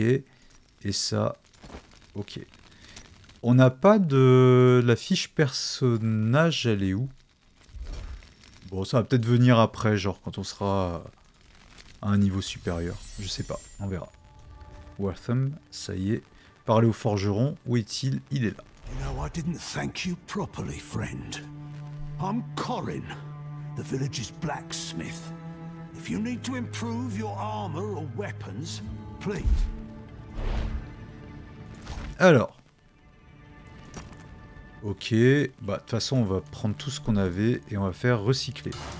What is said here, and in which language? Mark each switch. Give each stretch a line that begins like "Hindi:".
French: Et ça, ok. On n'a pas de... La fiche personnage, elle est où? Bon, ça va peut-être venir après, genre, quand on sera à un niveau supérieur. Je sais pas, on verra. Wortham, ça y est. Parlez au forgeron, où est-il? Il est là.
English: You know, I didn't thank you properly, friend. I'm Corin, the village's blacksmith. If you need to improve your armor or weapons, please.
French: Alors. Ok, bah de toute façon on va prendre tout ce qu'on avait et on va faire recycler.